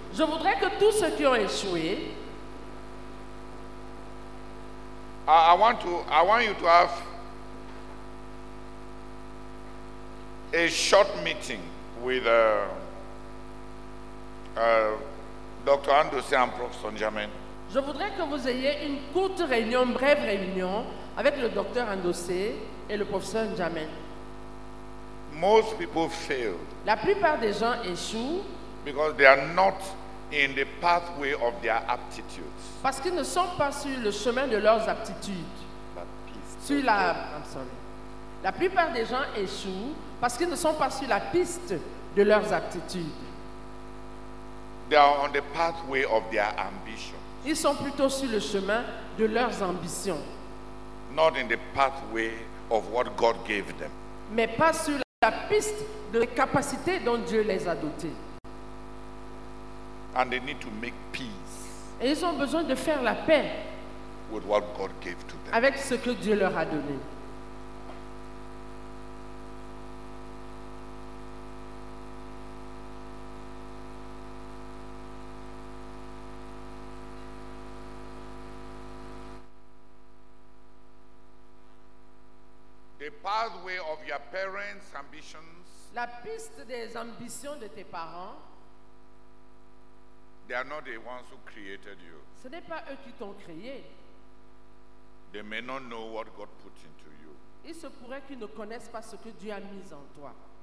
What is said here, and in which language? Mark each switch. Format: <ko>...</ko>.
<fr>Je voudrais que tous ceux qui ont échoué.</fr> <en>I want you to have a short meeting with Dr. Andoseh and Prof. Sonjamin.</en> <fr>Je voudrais que vous ayez une courte réunion, brève réunion avec le Dr. Andoseh et le professeur Njamin.</fr> <en>Most people fail.</en> <fr>La plupart des gens échouent.</fr> <en>Because they are not in the pathway of their aptitudes.</en> <fr>Parce qu'ils ne sont pas sur le chemin de leurs aptitudes. Sur la,</fr> <en>I'm sorry.</en> <fr>La plupart des gens échouent parce qu'ils ne sont pas sur la piste de leurs aptitudes.</fr> <en>They are on the pathway of their ambition.</en> <fr>Ils sont plutôt sur le chemin de leurs ambitions.</fr> <en>Not in the pathway of what God gave them.</en> <fr>Mais pas sur la piste de capacité dont Dieu les a dotés.</fr> <en>And they need to make peace.</en> <fr>Et ils ont besoin de faire la paix</fr> <en>with what God gave to them.</en> <fr>Avec ce que Dieu leur a donné.</fr> <en>Pathway of your parents' ambitions.</en> <fr>La piste des ambitions de tes parents.</fr> <en>They are not the ones who created you.</en> <fr>Ce n'est pas eux qui t'ont créé.</fr> <en>They may not know what God put into you.</en> <fr>Il se pourrait qu'ils ne connaissent pas ce que Dieu a mis en toi.</fr>